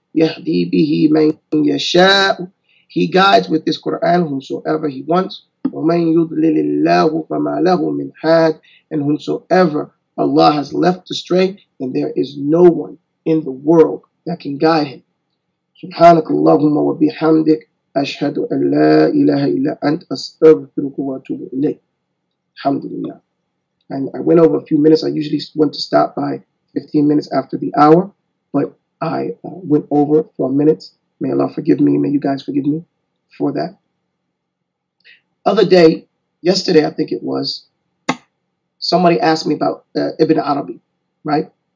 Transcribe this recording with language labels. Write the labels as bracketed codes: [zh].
[ar] يَهْدِي بِهِ مَنْ يَشَاءُ. [en] He guides with this Quran whomsoever he wants. [ar] وَمَنْ يُضْلِلِ اللَّهُ فَمَا لَهُ مِنْ هَادٍ. [en] And whomsoever Allah has left astray, then there is no one in the world that can guide him. [ar] سبحانك اللهم وبحمدك أشهد أن لا إله إلا أنت أستغفرك وأتوب إليك. الحمد لله. [en] And I went over a few minutes. I usually want to stop by 15 minutes after the hour, but I went over for a minute. May Allah forgive me. May you guys forgive me for that. Other day, yesterday, I think it was, somebody asked me about Ibn Arabi, right?